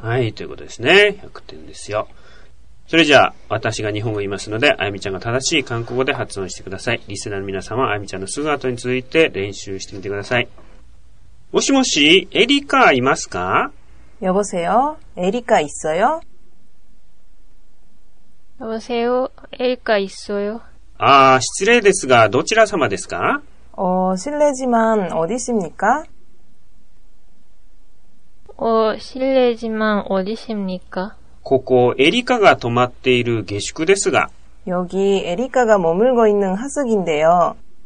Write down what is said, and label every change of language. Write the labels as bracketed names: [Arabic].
[Japanese] はい、ということですね。100点ですよ。それじゃあ、私が日本語を言いますので、あゆみちゃんが正しい韓国語で発音してください。リスナーの皆さんは、あゆみちゃんのすぐ後に続いて練習してみてください。もしもし、エリカいますか？ [Korean] 여보세요、エリカ있어요？ 여보세요에리카있어요 [Japanese] 아失礼ですがどちら様ですか [Korean] 어실례지만어디십니까 어실례지만어디십니까 [Japanese] ここエリカが泊まっている下宿ですが [Korean] 여기에리카가머물고있는하숙인데요